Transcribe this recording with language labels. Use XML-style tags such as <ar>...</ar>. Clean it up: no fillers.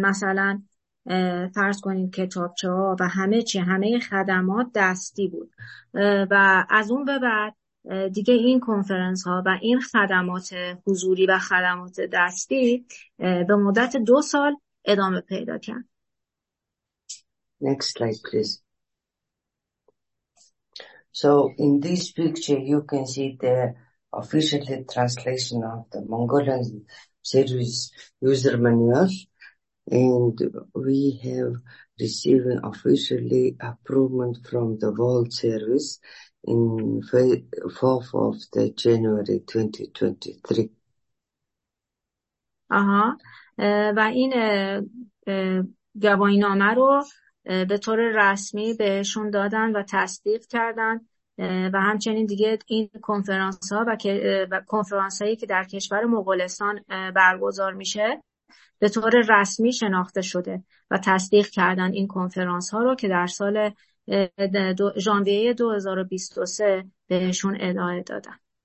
<fa>مثلا فرض کنید کتابچه ها و همه چی، همه خدمات دستی بود، و از اون به بعد دیگه این کنفرانس ها و این خدمات حضوری و خدمات دستی به مدت 2 سال ادامه پیدا کرد.</fa> <en>Next slide, please. So in this picture, you can see the official translation of the Mongolian Service User Manual. And we have received officially approval from the World Service in 4th of the January 2023.</en> <fa>و این گواهینامه رو به طور رسمی بهشون دادن و تصدیق کردن، و همچنین دیگه این کنفرانس ها و کنفرانس هایی که در کشور مغولستان برگزار میشه به طور رسمی شناخته شده و تصدیق کردن این کنفرانس ها رو که در سال ژانویه 2023 بهشون ادامه دادن.</fa>